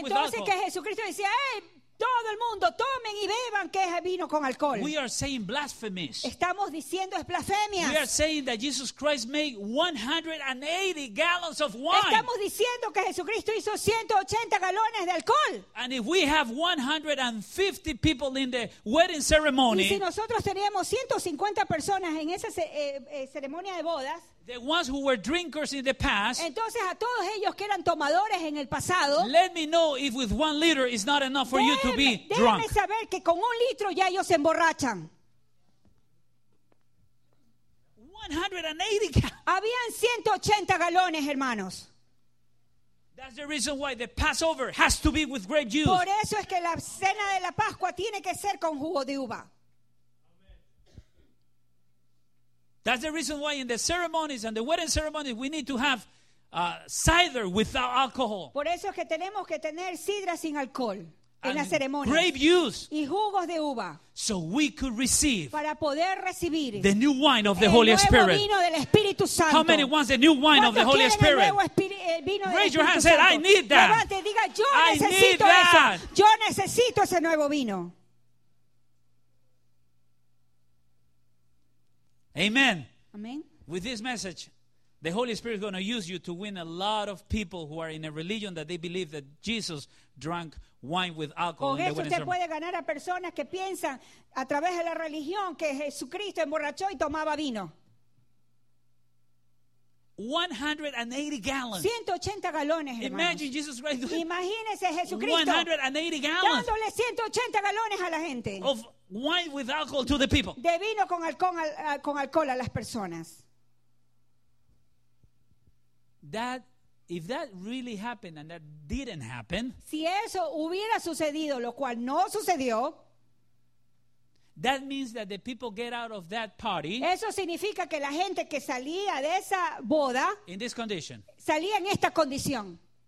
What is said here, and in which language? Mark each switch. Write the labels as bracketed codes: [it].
[es] entonces, [en] with alcohol. [es] Entonces que Jesucristo decía, hey, todo el mundo tomen y beban que es vino con alcohol. [en] We are saying blasphemies. [es] Estamos diciendo es blasfemia. [en] We are saying that Jesus Christ made 180 gallons of wine. [es] Estamos diciendo que Jesucristo hizo 180 galones de alcohol. [en] And if we have 150 people in the wedding ceremony, [es] y si nosotros teníamos 150 personas en esa ceremonia de bodas, [en] the ones who were drinkers in the past, [es] entonces a todos ellos que eran tomadores en el pasado, [en] let me know if with 1 liter is not enough for you to be drunk. [es] Déjeme saber que con 1 litro ya ellos se emborrachan. [en] 180 gallons. [es] Habían 180 galones, hermanos. [en] That's the reason why the Passover has to be with grape juice. [es] Por eso es que la cena de la Pascua tiene que ser con jugo de uva. [en] That's the reason why in the ceremonies and the wedding ceremonies we need to have cider without alcohol. [es] Por eso es que tenemos que tener sidra sin alcohol en la ceremonia. [en] Grape juice. [es] Y jugos de uva. [en] So we could receive. [es] Para poder recibir. [en] The new wine of the Holy Spirit. [es] El nuevo vino del Espíritu Santo. [en] How many wants the new wine of the Holy Spirit? Raise your hand and say, I need that. [es] Levante, diga, yo necesito eso. Yo necesito ese nuevo vino. [en] Amen. [es] Amen. [en] With this message, the Holy Spirit is going to use you to win a lot of people who are in a religion that they believe that Jesus drank wine with alcohol. [es] Con eso usted puede ganar a personas que piensan a través de la religión que Jesucristo emborrachó y tomaba vino. [en] 180 gallons. [es] 180 galones, hermanos. [en] Imagine Jesus Christ. [es] Imagínese Jesucristo. [en] 180 gallons. [es] Dándole 180 galones a la gente. [en] Of wine with alcohol to the people. [es] De vino con alcohol a las personas. [en] That, if that really happened and that didn't happen. [es] Si eso hubiera sucedido, lo cual no sucedió. [en] That means that the people get out of that party. [es] Eso significa que la gente que salía de esa boda. [en] In this condition. [es] Salía en esta condición.